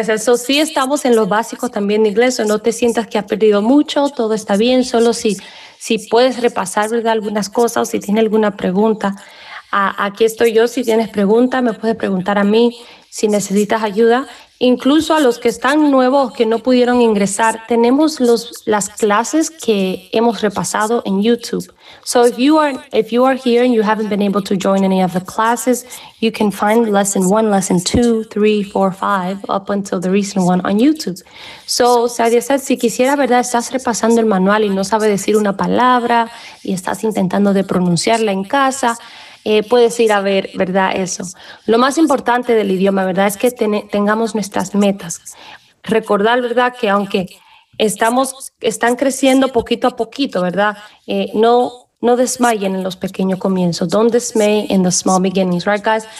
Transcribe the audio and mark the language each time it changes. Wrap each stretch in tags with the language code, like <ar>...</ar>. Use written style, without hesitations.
<es>Eso sí, estamos en los básicos también de inglés, o no te sientas que has perdido mucho, todo está bien, solo si puedes repasar, ¿verdad?, algunas cosas o si tienes alguna pregunta. Aquí estoy yo, si tienes pregunta, me puedes preguntar a mí si necesitas ayuda. Incluso a los que están nuevos, que no pudieron ingresar, tenemos las clases que hemos repasado en YouTube.</es> <en>So if you are here and you haven't been able to join any of the classes, you can find lesson 1, lesson 2, 3, 4, 5, up until the recent one on YouTube. So Sadia said,</en> <es>si quisiera, ¿verdad?, estás repasando el manual y no sabe decir una palabra y estás intentando de pronunciarla en casa, puedes ir a ver, ¿verdad?, eso. Lo más importante del idioma, ¿verdad?, es que tengamos nuestras metas. Recordar, ¿verdad?, que aunque están creciendo poquito a poquito, ¿verdad?, no desmayen en los pequeños comienzos.</es> <en>Don't dismay in the small beginnings, right, guys?</en>